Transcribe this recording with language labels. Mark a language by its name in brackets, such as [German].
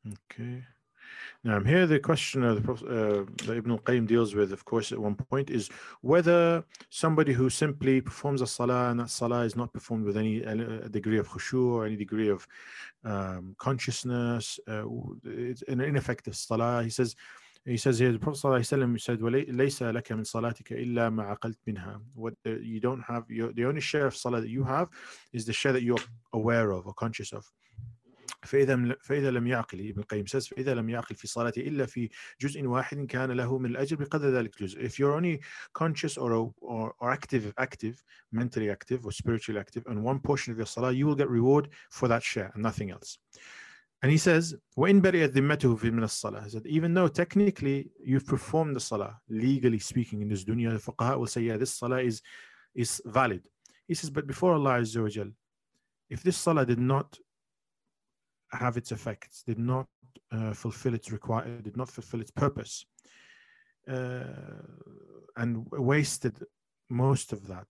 [English] Okay. Now, here the question that Ibn al-Qayyim deals with, of course, at one point is whether somebody who simply performs a salah and that salah is not performed with any degree of khushu or any degree of consciousness, it's an ineffective salah. He says here, the Prophet sallallahu said, [Arabic] وَلَيْسَ لَكَ مِنْ صَلَاتِكَ إِلَّا مَا عَقَلْتْ مِنْهَا. [English] What you don't have, the only share of salah that you have is the share that you're aware of or conscious of. [Arabic] فَإِذَا لَمْ يَعْقِلِ [English] Ibn Qayyim says, [Arabic] فَإِذَا لَمْ يَعْقِلِ فِي صَلَاتِ إِلَّا فِي جُزْءٍ وَاحِدٍ كَانَ لَهُ مِنْ الْأَجْرِ بِقَدَرِ ذَلِكَ الْجُزْءِ. [English] If you're only conscious or active, mentally active or spiritually active, and one portion of your salah, you will get reward for that share and nothing else. And he says, [Arabic] وَإِنْ بَرِئَتْ ذِمَّتُهُ فِي مِنَ الصَّلَاةِ. [English] He said, even though technically you've performed the salah, legally speaking in this dunya, the fuqaha will say, yeah, this salah is valid. He says, but before Allah Azza wa Jal, if this salah did not have its effects, did not fulfill its required, did not fulfill its purpose, and wasted most of that.